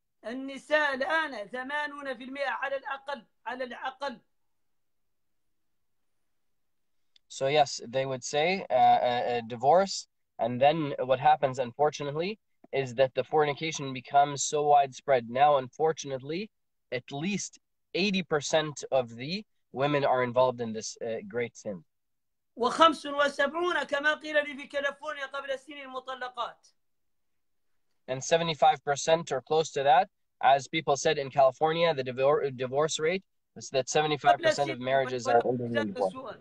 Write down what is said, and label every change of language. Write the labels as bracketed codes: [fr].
[ar] النساء الآن 80% على الأقل على الأقل. [en] So yes, they would say divorce, and then what happens, unfortunately, is that the fornication becomes so widespread. Now, unfortunately, at least 80% of the women are involved in this great sin. [ar] و75 كما قيل لي في كاليفورنيا قبل سنين مطلقات. [en] And 75% or close to that. As people said in California, the divorce rate is that 75% of marriages are ending in divorce.